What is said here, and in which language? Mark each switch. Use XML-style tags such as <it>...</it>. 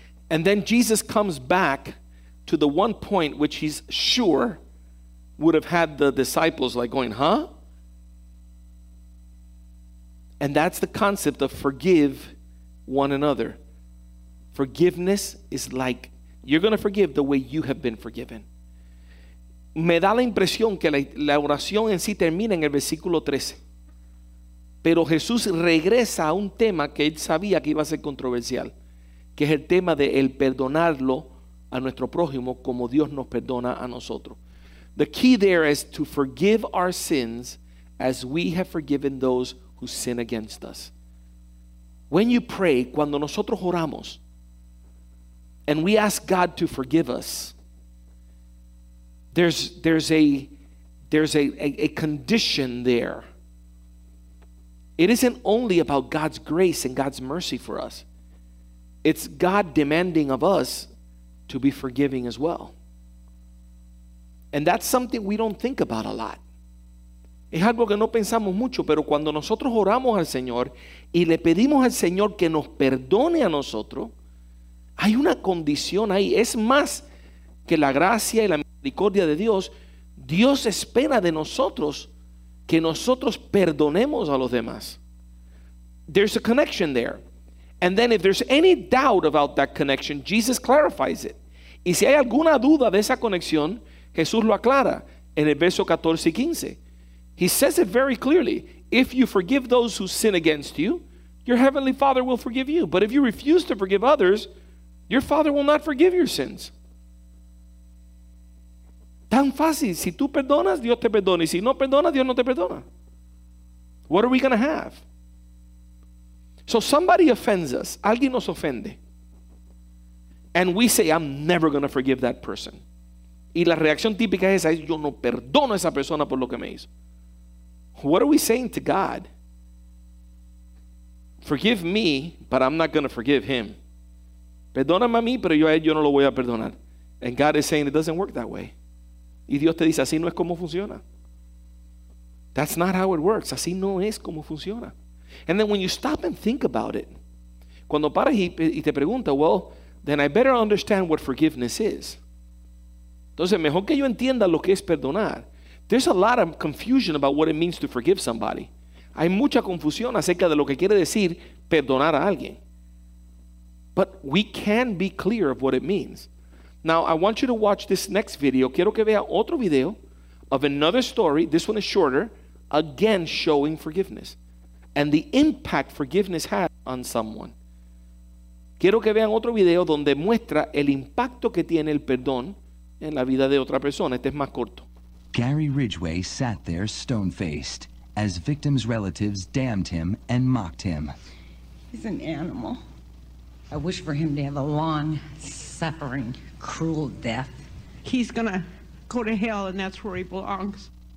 <en>And then Jesus comes back to the one point which he's sure would have had the disciples like going, huh? And that's the concept of forgive one another. Forgiveness is like You're going to forgive the way you have been forgiven.</en> <es>Me da la impresión que la oración en sí termina en el versículo 13. Pero Jesús regresa a un tema que él sabía que iba a ser controversial, que es el tema de el perdonarlo a nuestro prójimo como Dios nos perdona a nosotros.</es> <en>The key there is to forgive our sins as we have forgiven those who sin against us. When you pray,</en> <es>cuando nosotros oramos,</es> <en>and we ask God to forgive us, there's a condition there. It isn't only about God's grace and God's mercy for us. It's God demanding of us to be forgiving as well. And that's something we don't think about a lot.</en> <es>Es algo que no pensamos mucho, pero cuando nosotros oramos al Señor y le pedimos al Señor que nos perdone a nosotros, hay una condición ahí. Es más que la gracia y la misericordia de Dios. Dios espera de nosotros que nosotros perdonemos a los demás.</es> <en>There's a connection there. And then if there's any doubt about that connection, Jesus clarifies it.</en> <es>Y si hay alguna duda de esa conexión, Jesús lo aclara en el verso 14 y 15.</es> <en>He says it very clearly. If you forgive those who sin against you, your heavenly Father will forgive you. But if you refuse to forgive others, your Father will not forgive your sins.</en> <es>Tan fácil. Si tú perdonas, Dios te perdona. Y si no perdonas, Dios no te perdona.</es> <en>What are we going to have? So somebody offends us.</en> <es>Alguien nos ofende.</es> <en>And we say, I'm never going to forgive that person.</en> <es>Y la reacción típica es, yo no perdono a esa persona por lo que me hizo.</es> <en>What are we saying to God? Forgive me, but I'm not going to forgive him.</en> <es>Perdóname a mí, pero yo no lo voy a perdonar.</es> <en>And God is saying, it doesn't work that way.</en> <es>Y Dios te dice, así no es como funciona.</es> <en>That's not how it works.</en> <es>Así no es como funciona.</es> <en>And then when you stop and think about it,</en> <es>cuando paras y te pregunta,</es> <en>well, then I better understand what forgiveness is.</en> <es>Entonces, mejor que yo entienda lo que es perdonar.</es> <en>There's a lot of confusion about what it means to forgive somebody.</en> <es>Hay mucha confusión acerca de lo que quiere decir perdonar a alguien.</es> <en>But we can be clear of what it means. Now, I want you to watch this next video.</en> <es>Quiero que vea otro video</es> <en>of another story. This one is shorter. Again, showing forgiveness and the impact forgiveness has on someone.</en> <es>Quiero que vean otro video donde muestra el impacto que tiene el perdón en la vida de otra persona. Este es más corto.</es> <en>Gary Ridgway sat there stone-faced as victims' relatives damned him and mocked him. He's an animal. I wish for him to have a long, suffering, cruel death. He's gonna go to hell, and that's where he belongs.</en>